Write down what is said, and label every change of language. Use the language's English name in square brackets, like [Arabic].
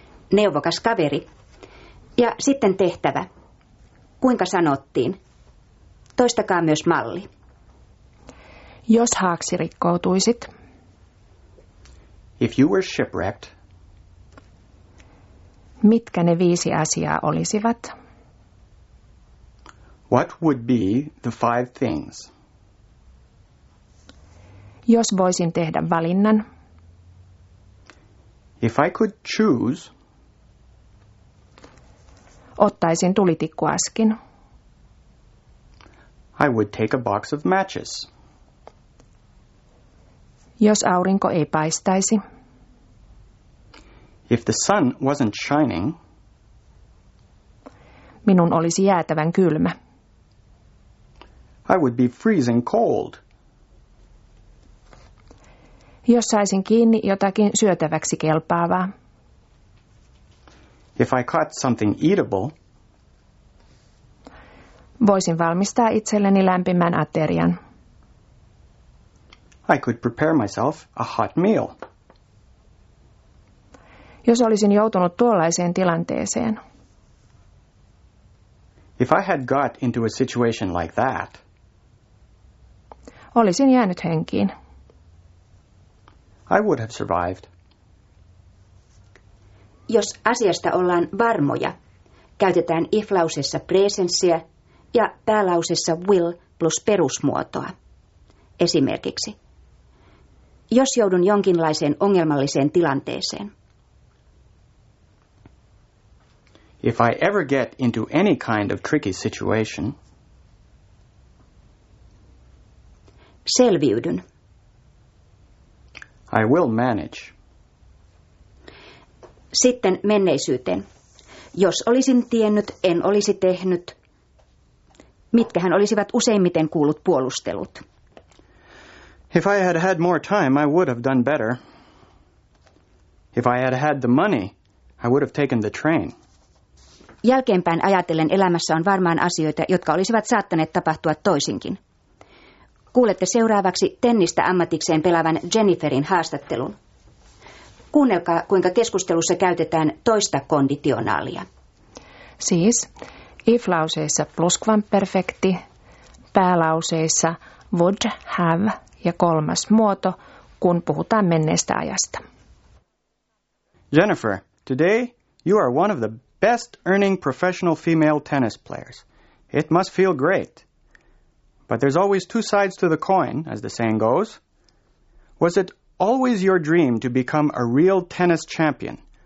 [Finnish] Neuvokas kaveri. Ja sitten tehtävä. Kuinka sanottiin? Toistakaa myös malli. Jos haaksi rikkoutuisit. [English] If you were shipwrecked. [Finnish] Mitkä ne viisi asiaa olisivat? [English] What would be the five things? [Finnish] Jos voisin tehdä valinnan. [English] If I could choose. [Finnish] Ottaisin tulitikkuaskin. [English] I would take a box of matches. [Finnish] Jos aurinko ei paistaisi. [English] If the sun wasn't shining, [Finnish] minun olisi jäätävän kylmä. [English] I would be freezing cold. [Finnish] Jos saisin kiinni jotakin syötäväksi kelpaavaa. [English] If I caught something eatable, [Finnish] voisin valmistaa itselleni lämpimän aterian. [English] I could prepare myself a hot meal. [Finnish] Jos olisin joutunut tuollaiseen tilanteeseen. [English] If I had got into a situation like that. [Finnish] Olisin jäänyt henkiin. [English] I would have survived. [Finnish] Jos asiasta ollaan varmoja, käytetään if-lauseessa presenssiä ja päälauseessa will plus perusmuotoa. Esimerkiksi. Jos joudun jonkinlaiseen ongelmalliseen tilanteeseen. [English] If I ever get into any kind of tricky situation, [Finnish] selviydyn. [English] I will manage. [Finnish] Sitten menneisyyteen. Jos olisin tiennyt, en olisi tehnyt. Mitkähän olisivat useimmiten kuullut puolustelut? [English] If I had had more time, I would have done better. If I had had the money, I would have taken the train. [Finnish] Jälkeenpäin ajatellen elämässä on varmaan asioita, jotka olisivat saattaneet tapahtua toisinkin. Kuulette seuraavaksi tennistä ammatikseen pelaavan Jenniferin haastattelun. Kuunnelkaa, kuinka keskustelussa käytetään toista konditionaalia. Siis if-lauseissa pluskvamperfekti, päälauseissa would have ja kolmas muoto, kun puhutaan menneestä ajasta. [English] Jennifer, today you are one of the best earning professional female tennis players. It must feel great. But there's always two sides to the coin, as the saying goes. Was it always your dream to become a real tennis champion?